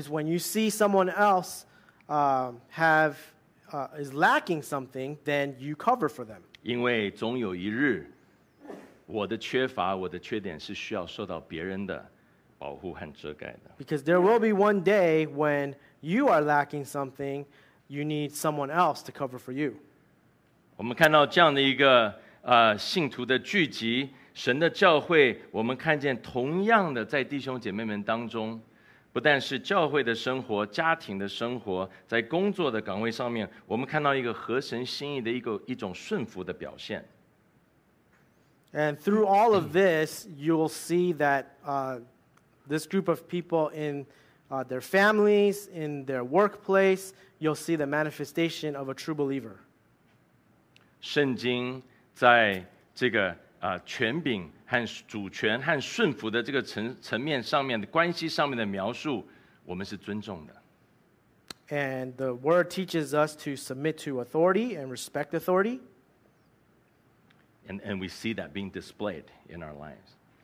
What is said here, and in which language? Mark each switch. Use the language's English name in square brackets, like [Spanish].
[English] It's when you see someone else is lacking something, then you cover for them. [Chinese] 因为总有一日。我的缺乏，我的缺点是需要受到别人的保护和遮盖的。 [English] Because there will be one day when you are lacking something, you need someone else to cover for you. [Chinese] 我们看到这样的一个信徒的聚集，神的教会，我们看见同样的在弟兄姐妹们当中，不但是教会的生活、家庭的生活，在工作的岗位上面，我们看到一个合神心意的一种顺服的表现。 [English] And through all of this, you'll see that this group of people in their families, in their workplace, you'll see the manifestation of a true believer. [Chinese] 圣经在这个 权柄和主权和顺服的这个层面上面的关系上面的描述, 我们是尊重的。 [English] And the word teaches us to submit to authority and respect authority. And we see that being displayed in our lives.